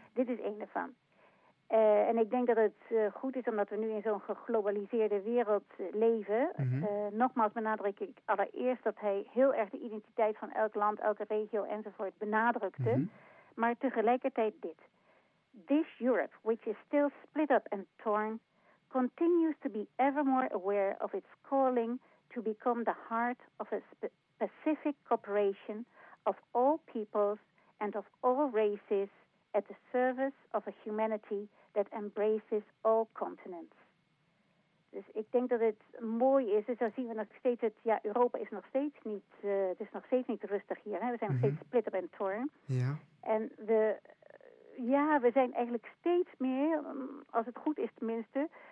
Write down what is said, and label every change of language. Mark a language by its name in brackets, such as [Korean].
[Dutch] Dit is een ervan. En ik denk dat het goed is, omdat we nu in zo'n geglobaliseerde wereld leven. Nogmaals benadruk ik allereerst dat hij heel erg de identiteit van elk land, elke regio enzovoort benadrukte. Maar tegelijkertijd dit. [English] This Europe, which is still split up and torn, continues to be ever more aware of its calling to become the heart of a specific cooperation of all peoples and of all races, at the service of a humanity that embraces all continents. [Dutch] Dus ik denk dat het mooi is. Dus dan zien we nog steeds het... Ja, Europa is nog steeds niet... het is nog steeds niet rustig hier. Hè? We zijn nog steeds [English] split up and torn. [Dutch] Ja. En we... Ja, we zijn eigenlijk steeds meer... als het goed is tenminste...